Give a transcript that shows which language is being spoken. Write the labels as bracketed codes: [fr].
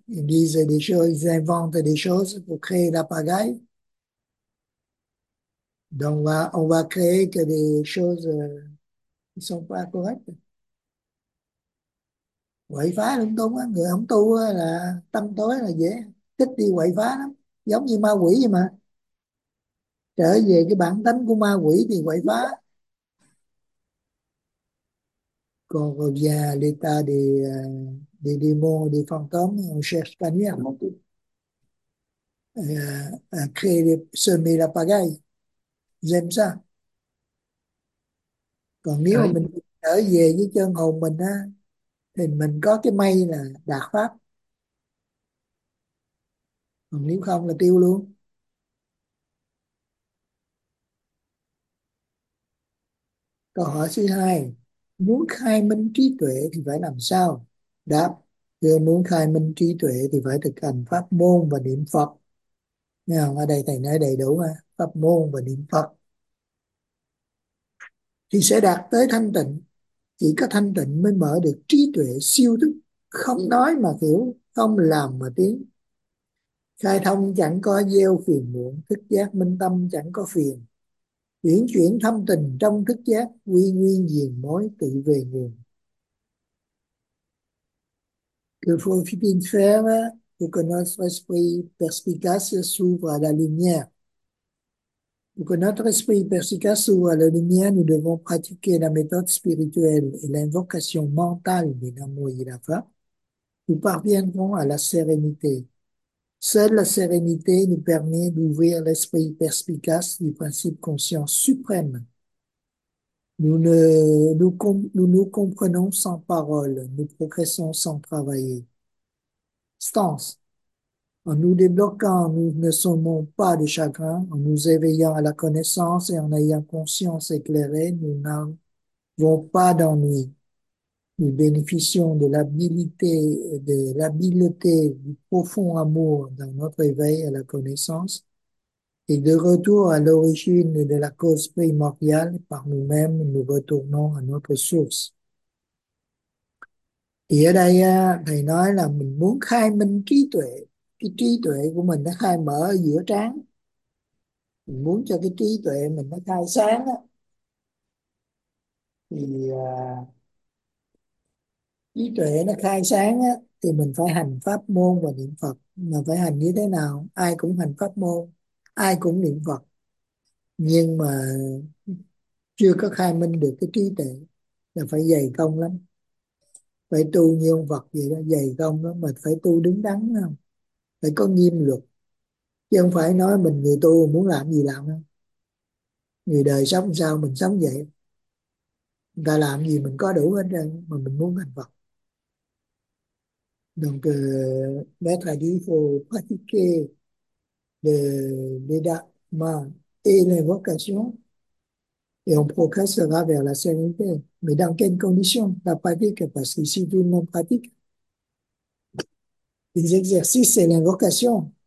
[fr] Ils disent des choses, ils inventent des choses pour créer la pagaille. Donc on va créer que des choses qui sont pas correctes. [vi] Quậy phá lung tung, người không tu là tâm tối là dễ, thích đi quậy phá lắm, giống như ma quỷ vậy mà. Trở về cái bản tánh của ma quỷ thì quậy phá. [fr] Còn revient à l'état des démons, des fantômes, on cherche pas mieux à semer la pagaille. J'aime ça. [vi] Còn nếu mà Cái mình trở về với chân hồn mình á, thì mình có cái may là đạt pháp. Còn nếu không là tiêu luôn. Câu hỏi thứ hai. Muốn khai minh trí tuệ thì phải làm sao? Đáp, muốn khai minh trí tuệ thì phải thực hành pháp môn và niệm Phật. Nghe không? Ở đây thầy nói đầy đủ ha? Pháp môn và niệm Phật. Thì sẽ đạt tới thanh tịnh. Chỉ có thanh tịnh mới mở được trí tuệ siêu thức. Không nói mà hiểu, không làm mà tiến. Khai thông chẳng có gieo phiền muộn, thức giác minh tâm chẳng có phiền. Chuyển chuyển thâm tình trong thức giác, quy nguyên diền mối tự về nguồn. [fr] Que faut-il faire pour que notre esprit perspicace s'ouvre à la lumière? Pour que notre esprit perspicace s'ouvre à la lumière, nous devons pratiquer la méthode spirituelle et l'invocation mentale des Namo Yirapha. Nous parviendrons à la sérénité. Seule la sérénité nous permet d'ouvrir l'esprit perspicace du principe conscience suprême. Nous comprenons sans parole, nous progressons sans travailler. Stance. En nous débloquant, nous ne sommons pas de chagrin. En nous éveillant à la connaissance et en ayant conscience éclairée, nous n'avons pas d'ennui. Nous bénéficions de l'habileté du profond amour dans notre éveil à la connaissance et de retour à l'origine de la cause primordiale par nous-mêmes, nous retournons à notre source. [vi] Et ở đây, thầy nói là mình muốn khai minh trí tuệ. Cái trí tuệ của mình nó khai mở ở giữa trán. Mình muốn cho cái trí tuệ mình nó khai sáng á. Thì trí tuệ nó khai sáng á, thì mình phải hành pháp môn và niệm Phật. Mà phải hành như thế nào? Ai cũng hành pháp môn, ai cũng niệm Phật, nhưng mà chưa có khai minh được cái trí tuệ là phải dày công lắm, phải tu như ông Phật vậy đó, dày công lắm. Mà phải tu đứng đắn không, phải có nghiêm luật, chứ không phải nói mình người tu muốn làm gì làm không. Người đời sống sao mình sống vậy, người ta làm gì mình có đủ hết trơn, mà mình muốn thành Phật. [fr] Donc, maître a dit, il faut pratiquer le dhamma et l'invocation Et on progressera vers la sérénité. Mais dans quelles conditions? La pratique, parce que si tu ne pratiques, les exercices, c'est l'invocation.